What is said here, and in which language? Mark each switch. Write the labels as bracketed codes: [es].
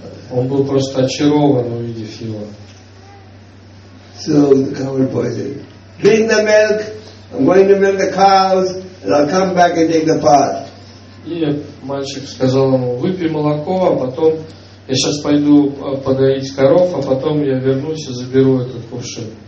[ru] Он был просто очарован, увидев его. [en] So the cowherd boy said, "Drink the milk. I'm going to milk the cows, and I'll come back and take the pot." [ru] И мальчик сказал ему: «Выпей молоко, а потом я сейчас пойду подоить коров, а потом я вернусь и заберу этот кувшин».